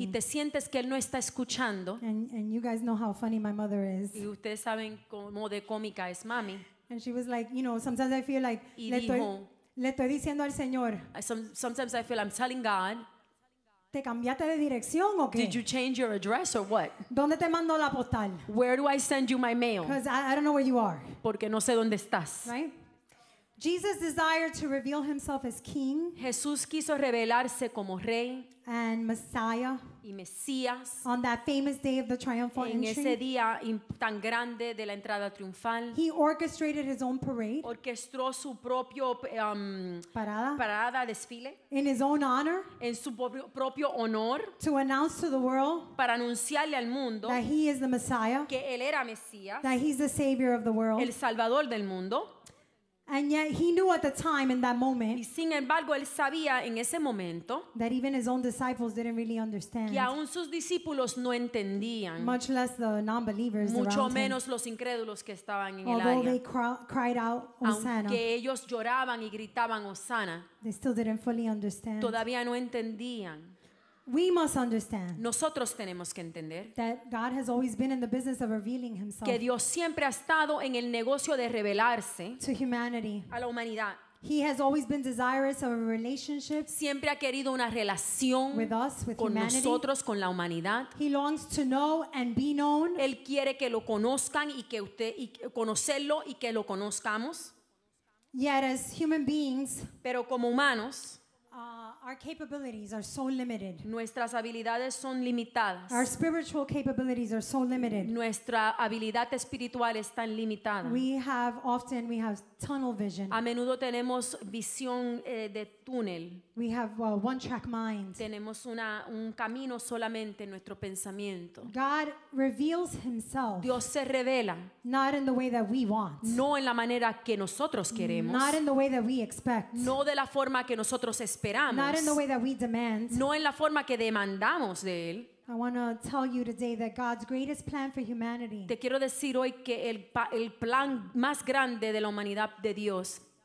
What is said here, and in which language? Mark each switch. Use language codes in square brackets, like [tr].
[es] Y te sientes que él no está escuchando. [en] And you guys know how funny my mother is. [es] Y ustedes saben cómo de cómica es mami. [en] And she was like, you know, sometimes I feel like [es] le estoy diciendo al Señor. [en] Sometimes I feel I'm telling God. [es] ¿Te cambiaste de dirección o qué? [en] Did you change your address or what? [es] ¿Dónde te mando la postal? [en] Where do I send you my mail? Because I don't know where you are. [es] Porque no sé dónde estás. [en] Right? Jesus desired to reveal himself as king. [es] Jesús quiso revelarse como rey. [en] And Messiah. [es] Y Mesías. [en] On that famous day of the triumphal entry. [es] En ese día tan grande de la entrada triunfal. [en] He orchestrated his own parade. [es] Orquestó su propio parada, desfile. [en] In his own honor. [es] En su propio honor. [en] To announce to the world. [es] Para anunciarle al mundo. [en] That he is the Messiah. [es] Que él era Mesías. [en] That he's the savior of the world. [es] El salvador del mundo. [en] And yet he knew at the time in that moment. [es] Y sin embargo él sabía en ese momento [en] that even his own disciples didn't really understand. [es] Que aún sus discípulos no entendían. [en] Much less the non-believers around him. [es] Mucho menos los incrédulos que estaban en el área. [en] Although they cried out Hosanna. [es] Aunque ellos lloraban y gritaban Hosanna. [en] They still didn't fully understand. [es] Todavía no entendían. [en] We must understand. [es] Nosotros tenemos que entender [en] that God has always been in the business of revealing himself. [es] Que Dios siempre ha estado en el negocio de revelarse [en] to humanity. [es] A la humanidad. [en] He has always been desirous of a relationship. [es] Siempre ha querido una relación [en] with us, with [es] con [en] humanity. [es] Nosotros, con la humanidad. [en] He longs to know and be known. [es] Él quiere que lo conozcan y que usted y conocerlo y que lo conozcamos. [en] Yet as human beings, [es] pero como humanos, [en] Our capabilities are so limited. [es] Nuestras habilidades son limitadas. [en] Our spiritual capabilities are so limited. [es] Nuestra habilidad espiritual es tan limitada. [en] We have tunnel vision. [es] A menudo tenemos visión de túnel. [en] We have a one track mind. [es] Tenemos un camino solamente en nuestro pensamiento. [en] God reveals himself. [es] Dios se revela. [en] Not in the way that we want. [es] No en la manera que nosotros queremos. [en] Not in the way that we expect. [es] No de la forma que nosotros esperamos. [en] Not in the way that we demand. [es] No en la forma que demandamos de él. [en] I want to tell you today that God's greatest plan for humanity. [es] Te quiero decir hoy que el plan más grande de la humanidad de Dios